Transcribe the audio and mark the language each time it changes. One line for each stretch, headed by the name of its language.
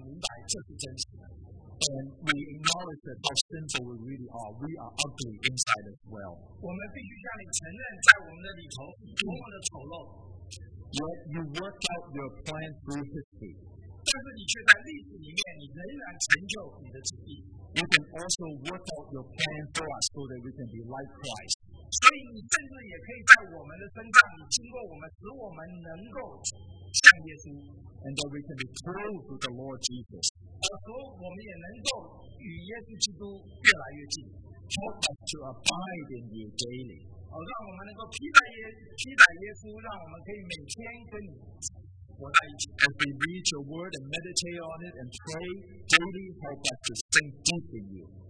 Chinese: 父神啊，我们来感谢你。虽然你没有把你所有的话语，是做的让我们读的都觉得这么的美，甚至你把这些很丑陋的事情，你也记载在你的话语里面，让我们明白这是真实的。
English: And we acknowledge that how sinful we really are. We are ugly inside as well.
Chinese: 我们必须向你承认，在我们的里头多么的丑陋。
English: Yet you worked out your plan through history.
Chinese: 但是你却在历史里面，你仍然成就你的旨意。
English: You can also work out your plan for us so that we can be like Christ.
Chinese: 所以你甚至也可以在我们的身上，你经过我们，使我们能够像耶稣。
English: And that we can be clothed with the Lord Jesus.
Chinese: 而使我们也能够与耶稣基督越来越近。
English: Help us to abide in you daily.
Chinese: 让我们能够期待耶稣，让我们可以每天跟你。
English: As we read your word and meditate on it and pray daily, help us to sink deep in you.